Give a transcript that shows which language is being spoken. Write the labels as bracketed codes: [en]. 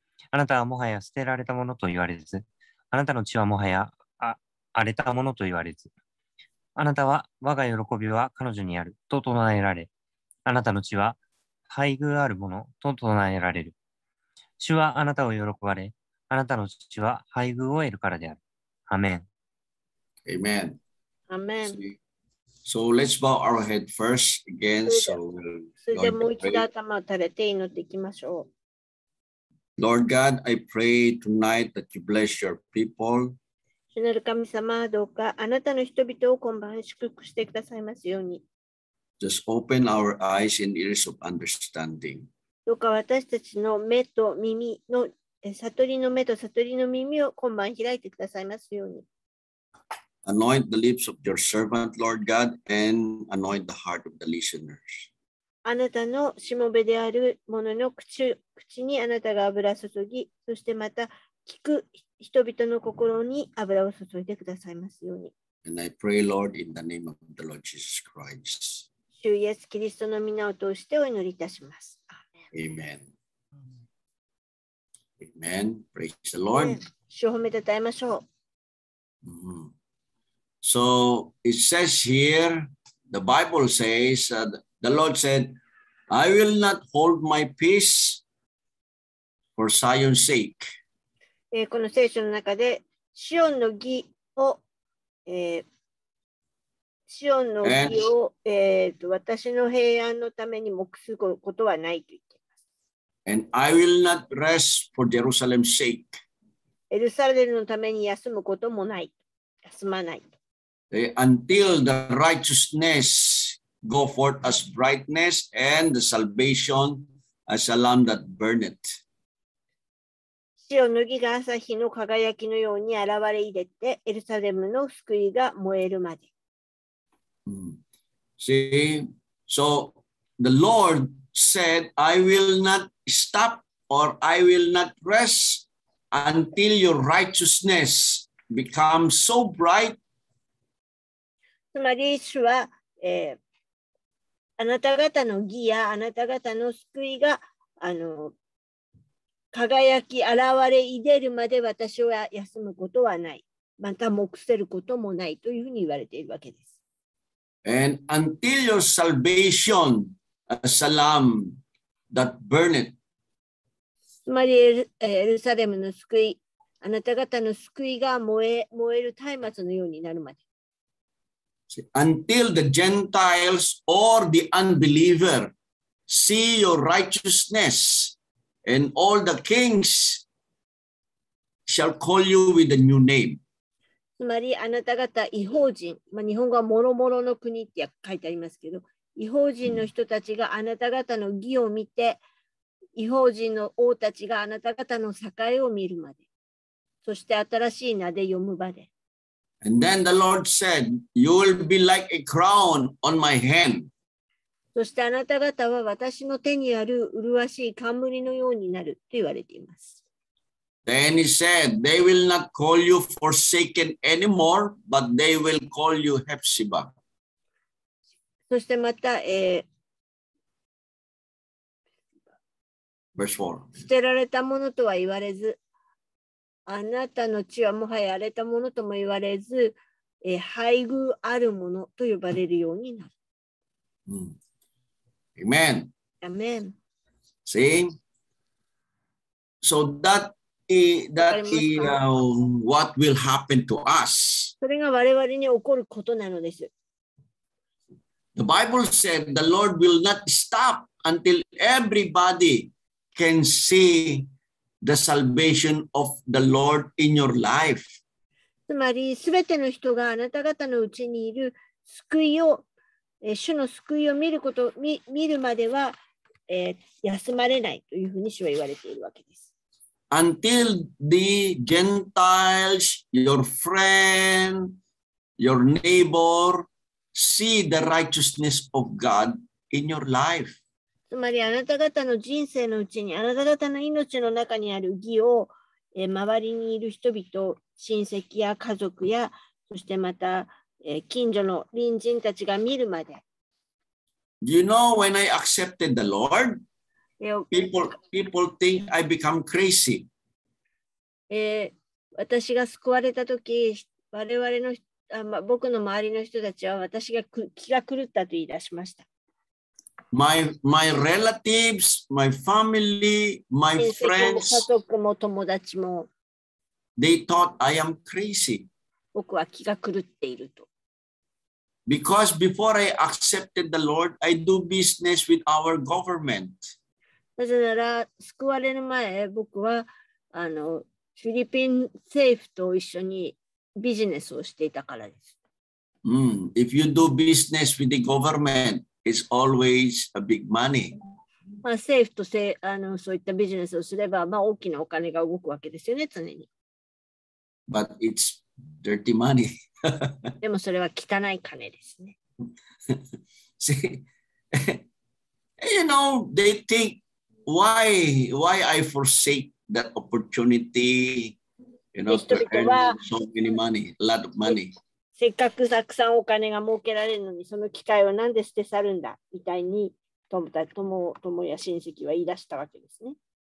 [ja] あなたはもはや捨てられたものと言われず、あなたの血はもはや荒れたものと言われず、あなたは我が喜びは彼女にあると唱えられ、あなたの血は配偶あるものと唱えられる。主はあなたを喜ばれ、あなたの父は配偶を得るからである。アメン。アメン。アメン。 [en] So let's bow our head first again. [ja] それでもう一度頭を垂れて祈っていきましょう。 [en] Lord God, I pray tonight that you bless your people. [ja] 主なる神様、どうかあなたの人々を今晩祝福してくださいますように。 [en] Just open our eyes and ears of understanding. [ja] どうか私たちの目と耳の悟りの目と悟りの耳を今晩開いてくださいますように。 [en] Anoint the lips of your servant, Lord God, and anoint the heart of the listeners. [ja] あなたのしもべである者の口にあなたが油注ぎ、そしてまた聞く人々の心に油を注いでくださいますように。 [en] And I pray, Lord, in the name of the Lord Jesus Christ. [ja] 主イエス・キリストの皆を通してお祈りいたします。 [en] Amen. Amen. Praise the Lord. [ja] 主を褒めたたえましょう。 [en] So it says here, the Bible says that the Lord said, I will not hold my peace for Zion's sake. [ja] この聖書の中で、シオンの義を、シオンの義を、私の平安のために黙することはないと。 [en] And I will not rest for Jerusalem's sake. [ja] エルサレムのために休むこともない。休まない。 [en] Until the righteousness go forth as brightness and the salvation as a lamb that burneth. [ja] 主よ、の義が朝日の輝きのように現れ入れて、エルサレムの救いが燃えるまで。 [en] See, so the Lord said, I will notStop or I will not rest until your righteousness becomes so bright. [ja] つまり主は、あなた方の義やあなた方の救いが輝き現れ入れるまで私は休むことはない。また黙せることもないというふうに言われているわけです。 [en] And until your salvation, as a lamb that burneth. [ja] つまりエルサレムの救い、あなた方の救いが燃える松明のようになるまで。 [en] Until the Gentiles or the unbeliever see your righteousness, and all the kings shall call you with a new name. [ja] つまりあなた方、異邦人、まあ、日本語はもろもろの国って書いてありますけど、異邦人の人たちがあなた方の義を見て、異邦人の王たちがあなた方の栄えを見るまで、そして新しい名で読むまで。 [en] And then the Lord said, You will be like a crown on my hand. [ja] そしてあなた方は私の手にある麗しい冠のようになると言われています。 [en] Then he said, They will not call you forsaken anymore, but they will call you Hephzibah. [ja] そしてまた、 [en] Verse 4. [ja] 捨てられたものとは言われず、あなたの血はもはや荒れたものとも言われず、配偶あるものと呼ばれるようになる。 [en] Amen. Amen. See? So that is what will happen to us. [ja] それが我々に起こることなのです。 [en] The Bible said the Lord will not stop until everybody. Can see the salvation of the Lord in your life. [ja] つまり、すべての人があなた方のうちにいる救いを、主の救いを見るまでは、休まれないというふうに主は言われているわけです。 [en] Until the Gentiles, your friend, your neighbor, see the righteousness of God in your life. [ja] つまりあなた方の人生のうちにあなた方の命の中にある義を周りにいる人々親戚や家族やそしてまた近所の隣人たちが見るまで [en] You know, when I accepted the Lord, people think I become crazy. [ja] 私が救われた時、我々の、僕の周りの人たちは私が気が狂ったと言い出しました。 [en] My relatives, my family, my friends, [ja] 家族も友達も、 [en] they thought I am crazy. [ja] 僕は気が狂っていると。 [en] Because before I accepted the Lord, I do business with our government. [ja] なぜなら救われる前、僕はフィリピン政府と一緒にビジネスをしていたからです。 [en] If you do business with the government, it's always a big money. [ja] まあ政府とそういったビジネスをすれば、まあ大きなお金が動くわけですよね、常に。 [en] But it's dirty money. [ja] でもそれは汚い金ですね。 [en] See, you know, they think why I forsake. That opportunity, you know, to earn so many money, a lot of money. [ja] せっかくたくさんお金が儲けられるのに、その機会をなんで捨て去るんだみたいに、友や親戚は言い出したわけですね。